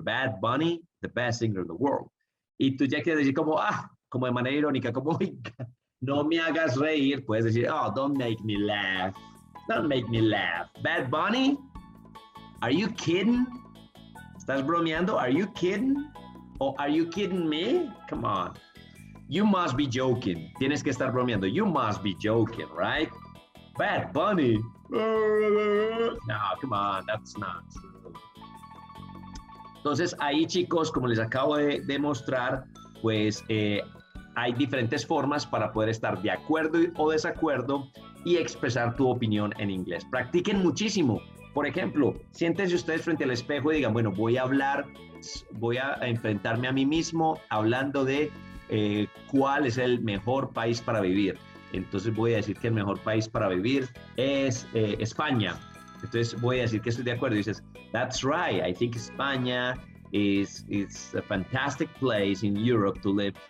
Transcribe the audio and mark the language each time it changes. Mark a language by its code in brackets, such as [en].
[en] Bad Bunny, the best singer in the world. [es] Y tú ya quieres decir como, como de manera irónica, como, no me hagas reír. Puedes decir, [en] don't make me laugh. Don't make me laugh. Bad Bunny, are you kidding? [es] ¿Estás bromeando? [en] Are you kidding? Or are you kidding me? Come on. You must be joking. [es] Tienes que estar bromeando. [en] You must be joking, right? Bad Bunny. No, come on. That's not true. [es] Entonces, ahí, chicos, como les acabo de demostrar, pues... hay diferentes formas para poder estar de acuerdo o desacuerdo y expresar tu opinión en inglés. Practiquen muchísimo. Por ejemplo, siéntense ustedes frente al espejo y digan, bueno, voy a enfrentarme a mí mismo hablando de cuál es el mejor país para vivir. Entonces voy a decir que el mejor país para vivir es España. Entonces voy a decir que estoy de acuerdo. Y dices, [en] that's right, I think España... It's a fantastic place in Europe to live.